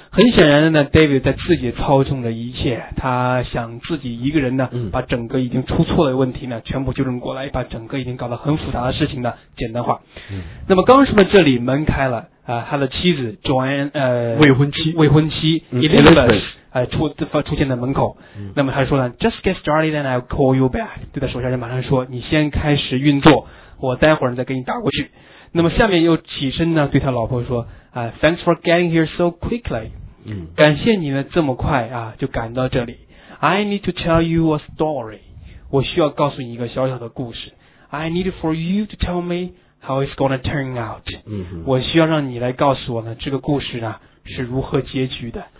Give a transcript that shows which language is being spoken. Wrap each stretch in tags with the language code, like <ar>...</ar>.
<zh>很显然的呢 ，David 在自己操纵着一切，他想自己一个人呢，把整个已经出错的问题呢，全部纠正过来，把整个已经搞得很复杂的事情呢，简单化。那么刚说到这里，门开了他的妻子 Joanne 未婚妻 Elizabeth 出现在门口。那么他说呢</zh> <en>，Just get started and I'll call you back。</en> <zh>对他手下人马上说，你先开始运作，我待会儿再给你打过去。那么下面又起身呢对他老婆说</zh> <en>Thanks for getting here so quickly</en> <zh>感谢你呢这么快啊就赶到这里</zh> <en>I need to tell you a story</en> <zh>我需要告诉你一个小小的故事</zh> <en>I need for you to tell me how it's gonna turn out</en> <zh>我需要让你来告诉我呢这个故事呢是如何结局的</zh>